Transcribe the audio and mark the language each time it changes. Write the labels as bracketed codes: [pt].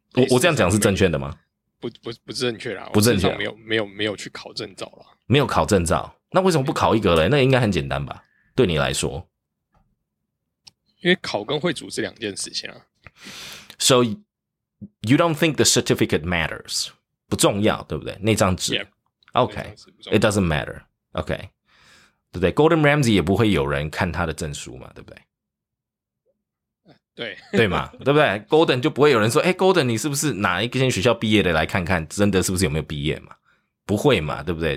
[zh] 我这样讲是正确的吗？不正确啦，不正确，没有去考证照啦，没有考证照，那为什么不考一个嘞？那应该很简单吧？对你来说。因为考跟会煮是两件事情啊。 [en] So, you don't think the certificate matters? [zh] 不重要，对不对？那张纸。 [en] Yeah, okay, it doesn't matter. Okay. [zh] 对不对 ?Gordon Ramsay 也不会有人看他的证书嘛，对不对？对。对嘛，对不对 ?Gordon 就不会有人说，诶 ,Gordon, 你是不是哪一间学校毕业的来看看真的是不是有没有毕业嘛。不会嘛，对不对？